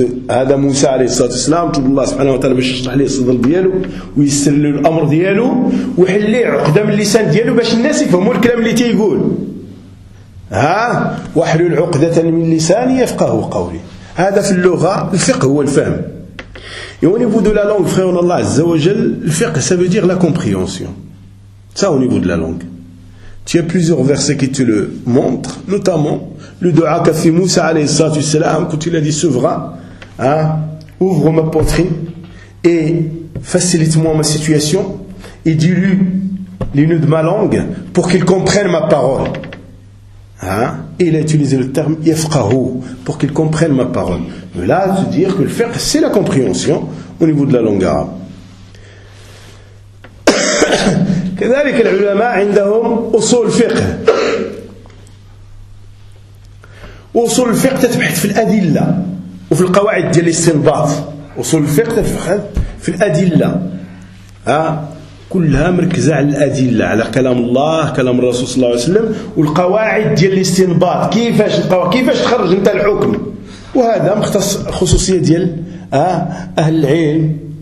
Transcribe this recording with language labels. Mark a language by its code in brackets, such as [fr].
[ar] هذا موسى عليه الصلاة والسلام طلب الله سبحانه وتعالى باش يشرح لي الصدر ديالو ويسر لي الامر ديالو وحل لي عقدة من لسان ديالو باش الناس يفهموا الكلام اللي تيقول ها واحلل عقدة من لساني يفقه قولي هذا في اللغة الفقه هو الفهم [fr] Et au niveau de la langue, frère Allah Azza wa Jal, le fiqh, ça veut dire la compréhension. Ça, au niveau de la langue. Tu as plusieurs versets qui te le montrent, notamment le dua qu'a fait Moussa alayhi salatu salam, quand il a dit souverain, ouvre ma poitrine et facilite-moi ma situation et dilue les nœuds de ma langue pour qu'il comprenne ma parole. Et il a utilisé le terme yafqahu pour qu'il comprenne ma parole. Mais là, se dire que le fiqh, c'est la compréhension au niveau de la langue arabe. [ar] كذلك العلماء عندهم اصول الفقه. اصول الفقه تبحث في الادله وفي القواعد ديال الاستنباط. اصول الفقه تبحث في الادله. كلها مركزة على الأدلة على كلام الله كلام الرسول صلى الله عليه وسلم والقواعد ديال الاستنباط كيفاش تخرج انت الحكم وهذا مختص خصوصية ديال أهل العلم